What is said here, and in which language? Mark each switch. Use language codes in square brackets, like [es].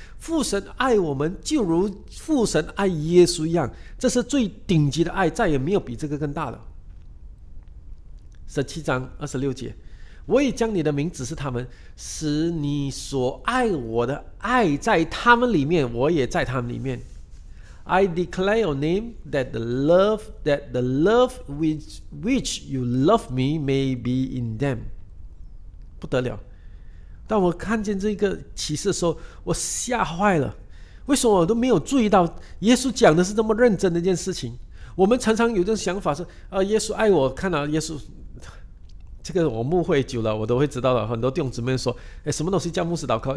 [zh] 父神爱我们就如父神爱耶稣一样，这是最顶级的爱，再也没有比这个更大的。 17:26，我已将你的名指示他们，使你所爱我的爱在他们里面，我也在他们里面。 [en] I declare your name, that the love which you love me may be in them. [zh] 不得了，当我看见这个启示的时候，我吓坏了。为什么我都没有注意到耶稣讲的是这么认真的一件事情？我们常常有这种想法，是耶稣爱我，看到耶稣这个我牧会久了，我都会知道的。很多弟兄姊妹说，哎，什么东西叫牧师祷告？